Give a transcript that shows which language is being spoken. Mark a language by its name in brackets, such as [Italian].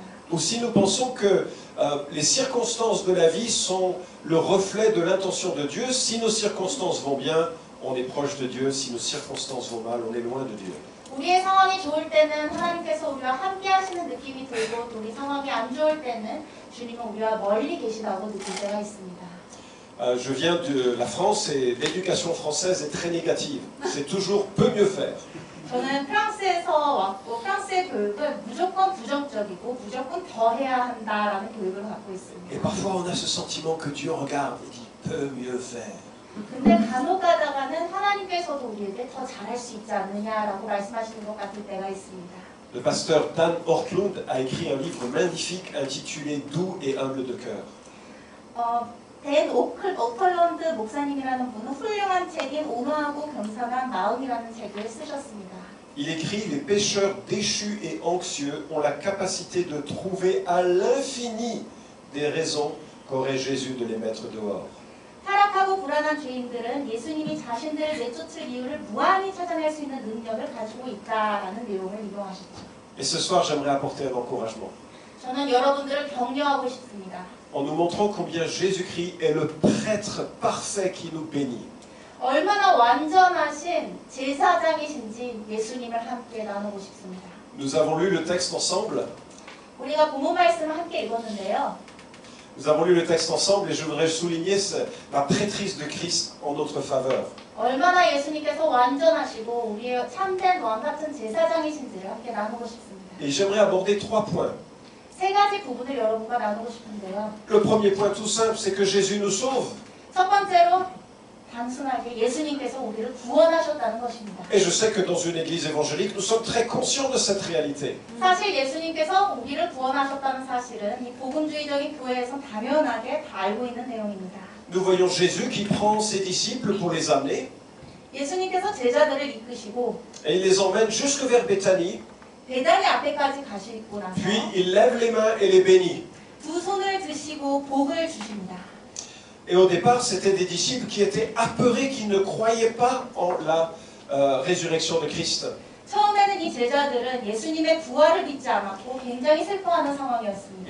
[French] Aussi, nous pensons que les circonstances de la vie sont le reflet de l'intention de Dieu. Si nos circonstances vont bien, on est proche de Dieu. Si nos circonstances vont mal, on est loin de Dieu. [Korean] 우리의 상황이 좋을 때는 하나님께서 우리와 함께 하시는 느낌이 들고 또 우리 상황이 안 좋을 때는 주님은 우리와 멀리 계시다고 느낄 때가 있습니다. [French] Je viens de la France et l'éducation française est très négative. C'est toujours peu mieux faire. [Korean] 저는 프랑스에서 왔고 프랑스의 교육은 무조건 부정적이고 무조건 더 해야 한다라는 교육을 받고 있습니다. [French] Et parfois on a ce sentiment que Dieu regarde et dit peu mieux faire. [Korean] 근데 간혹 가다가는 하나님께서도 우리에게 더 잘할 수 있지 않느냐라고 말씀하시는 것 같을 때가 있습니다. [French] Le pasteur Dan Ortlund a écrit un livre magnifique intitulé Doux et humble de cœur. [Korean] 댄 오클런드 목사님이라는 분은 훌륭한 책인 온화하고 겸손한 마음이라는 책을 쓰셨습니다. [French] Il écrit les pécheurs déchus et anxieux ont la capacité de trouver à l'infini des raisons qu'aurait Jésus de les mettre dehors. [Korean] 타락하고 불안한 죄인들은 예수님이 자신들을 내쫓을 이유를 무한히 찾아낼 수 있는 능력을 가지고 있다라는 내용을 인용하셨죠. [French] Et ce soir, j'aimerais apporter un encouragement. [Korean] 저는 여러분들을 격려하고 싶습니다. [French] En nous montrant combien Jésus-Christ est le prêtre parfait qui nous bénit. [Korean] 얼마나 완전하신 제사장이신지 예수님을 함께 나누고 싶습니다. [French] Nous avons lu le texte ensemble. [Korean] 우리가 본문 말씀을 함께 읽었는데요. [French] Nous avons lu le texte ensemble et je voudrais souligner la prêtrise de Christ en notre faveur. [Korean] 얼마나 예수님께서 완전하시고 우리의 참된 왕 같은 제사장이신지를 함께 나누고 싶습니다. [French] Et j'aimerais aborder trois points. [Korean] 세 가지 부분을 여러분과 나누고 싶은데요. [French] Le premier point tout simple, c'est que Jésus nous sauve. [Korean] 첫 번째로 단순하게 예수님께서 우리를 구원하셨다는 것입니다. [French] Et je sais que dans une église évangélique, nous sommes très conscients de cette réalité. [Korean] 사실 예수님께서 우리를 구원하셨다는 사실은 이 복음주의적인 교회에서 당연하게 다 알고 있는 내용입니다. [French] Nous voyons Jésus qui prend ses disciples pour les amener. [Korean] 예수님께서 제자들을 이끄시고 [French] Et il les emmène jusque vers Béthanie. [Korean] 베다니 앞에까지 가시고 나서 [French] Puis il lève les mains et les bénit. [Korean] 두 손을 드시고 복을 주십니다. [French] Et au départ, c'était des disciples qui étaient apeurés, qui ne croyaient pas en la résurrection de Christ. [Korean] 처음에는 이 제자들은 예수님의 부활을 믿지 않았고 굉장히 슬퍼하는 상황이었습니다.